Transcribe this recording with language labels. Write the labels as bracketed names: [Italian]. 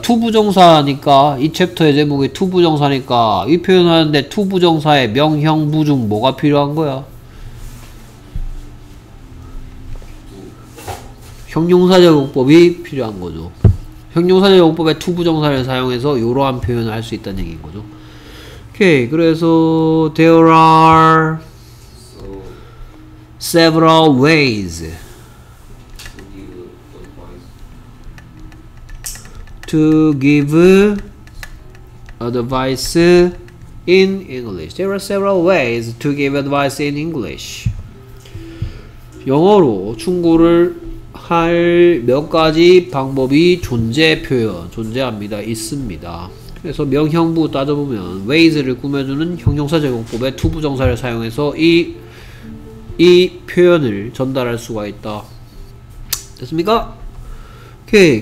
[Korean] 투부정사니까 이 챕터의 제목이 투부정사니까 이 표현하는데 투부정사의 명형부 중 뭐가 필요한 거야? 형용사 제목법이 필요한 거죠. 형용사 제목법에 투부정사를 사용해서 이러한 표현을 할 수 있다는 얘기인 거죠. 오케이. [English] 그래서 there are several ways To give advice in English. There are several ways to give advice in English. [Korean] 영어로 충고를 할 몇 가지 방법이 존재 표현, 존재합니다. 있습니다. 그래서 명형부 따져보면 ways를 꾸며주는 형용사 제공법의 to 부정사를 사용해서 이 표현을 전달할 수가 있다. 됐습니까? 오케이.